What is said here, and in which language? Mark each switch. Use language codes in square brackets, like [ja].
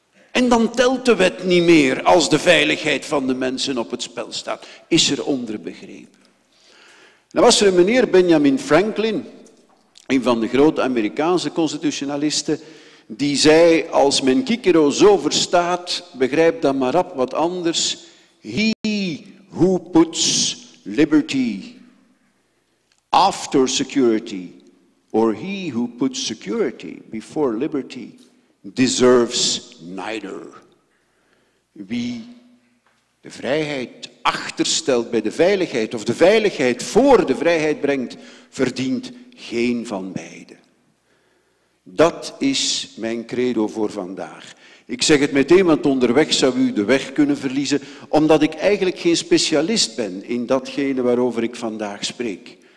[nl] En dan telt de wet niet meer als de veiligheid van de mensen op het spel staat. Is er onderbegrepen. Dan was er een meneer, Benjamin Franklin, een van de grote Amerikaanse constitutionalisten, die zei, als men Cicero zo verstaat, begrijp dan maar rap wat anders. [en] He who puts liberty after security, or he who puts security before liberty, deserves neither. [nl] Wie de vrijheid achterstelt bij de veiligheid of de veiligheid voor de vrijheid brengt, verdient geen van beide. Dat is mijn credo voor vandaag. Ik zeg het meteen, want onderweg zou u de weg kunnen verliezen, omdat ik eigenlijk geen specialist ben in datgene waarover ik vandaag spreek.